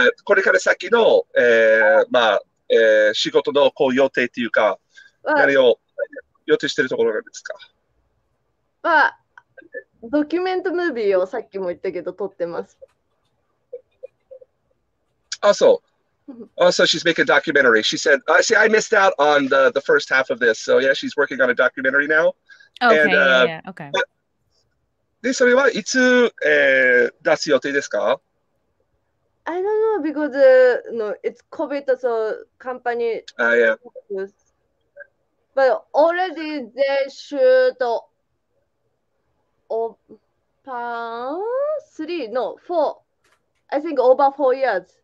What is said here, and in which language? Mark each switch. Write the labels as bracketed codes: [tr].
[ja] これから先の、まあ、仕事のこう予定というか、何を予定してるところなんですか? まあ、ドキュメントムービーをさっきも言ったけど撮ってます。 [en] Also, she's making a documentary. She said, see, I missed out on the first half of this. So, yeah, she's working on a documentary now. Okay, and, yeah, okay. [ja] それはいつ出す予定ですか? [en] I don't know because no, it's COVID, so company. But already they should open 4. I think over 4 years.